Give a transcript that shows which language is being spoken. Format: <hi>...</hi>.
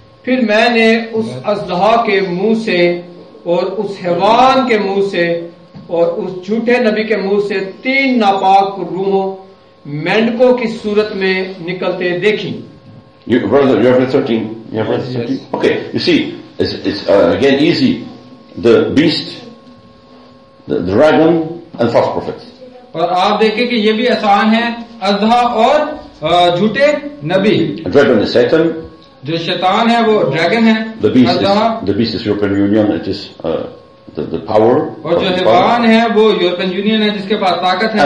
<hi>फिर मैंने उस अजहा के मुंह से और उस हैवान के मुंह से और उस झूठे नबी के मुंह से तीन नापाक रूहों मेंढकों की सूरत में निकलते देखी.</hi> <en>You, brother, you have read 13. You have read 13? Okay, you see, it's again easy. The beast, the dragon, and false prophets.</en> <hi>और आप देखें कि ये भी आसान है अजहा और झूठे नबी.</hi> <en>Dragon is Satan.</en> <hi>जो शैतान है वो ड्रैगन है.</hi> <en>The beast is the beast is European Union it is the power.</en> <hi>और जो हैवान है वो यूरोपियन यूनियन है जिसके पास ताकत है.</hi>